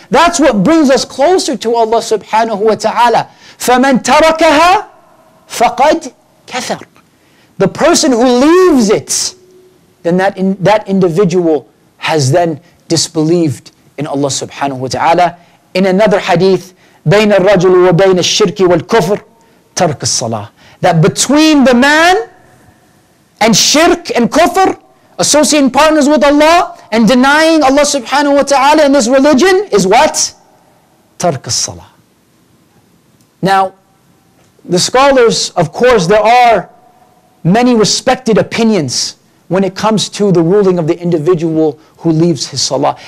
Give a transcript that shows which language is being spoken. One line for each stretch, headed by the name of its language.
English: That's what brings us closer to Allah subhanahu wa ta'ala.
Arabic: فَمَنْ تَرَكَهَا فَقَدْ كَثَرْ.
English: The person who leaves it, then that individual has then disbelieved in Allah subhanahu wa ta'ala. In another hadith,
Arabic: بَيْنَ الرَّجُلُ وَبَيْنَ الشِّرْكِ وَالْكُفْرِ تَرْكَ الصَّلَاةِ.
English: That between the man and shirk and kufr, associating partners with Allah and denying Allah subhanahu wa ta'ala in this religion, is what? Tark as-salah. Now, the scholars, of course, there are many respected opinions when it comes to the ruling of the individual who leaves his salah.